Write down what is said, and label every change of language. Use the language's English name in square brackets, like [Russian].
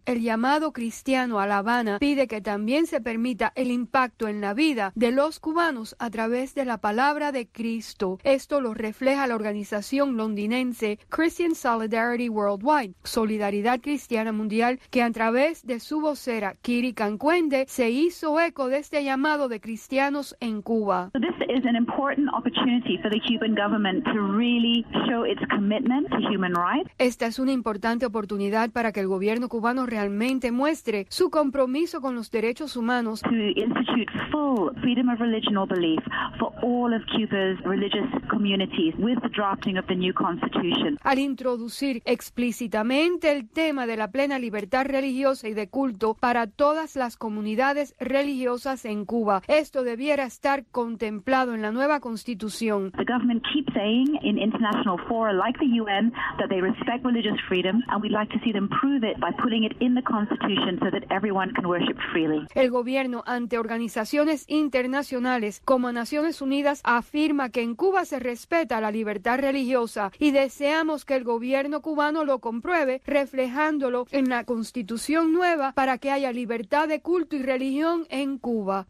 [Spanish] El llamado cristiano a La Habana pide que también se permita el impacto en la vida de los cubanos a través de la palabra de Cristo. Esto lo refleja la organización londinense Christian Solidarity Worldwide, Solidaridad Cristiana Mundial, que a través de su vocera Kiri Cancuende se hizo eco de este llamado de cristianos en Cuba. [English] This is an important opportunity for the Cuban government to really show its commitment to human rights. [Spanish] Esta es una importante oportunidad para que el gobierno cubano realmente muestre su compromiso con los derechos humanos. [English] To institute full freedom of religion or belief for all of Cuba. Cuba's religious communities with the drafting of the new constitution. [Spanish] Al introducir explícitamente el tema de la plena libertad religiosa y de culto para todas las comunidades religiosas en Cuba, esto debiera estar contemplado en la nueva constitución. [English] The government keeps saying in international fora like the UN that they respect religious freedom, and we'd like to see them prove it by putting it in the constitution so that everyone can worship freely. [Spanish] El gobierno ante organizaciones internacionales como Naciones Unidas afirma que en Cuba se respeta la libertad religiosa y deseamos que el gobierno cubano lo compruebe reflejándolo en la constitución nueva para que haya libertad de culto y religión en Cuba.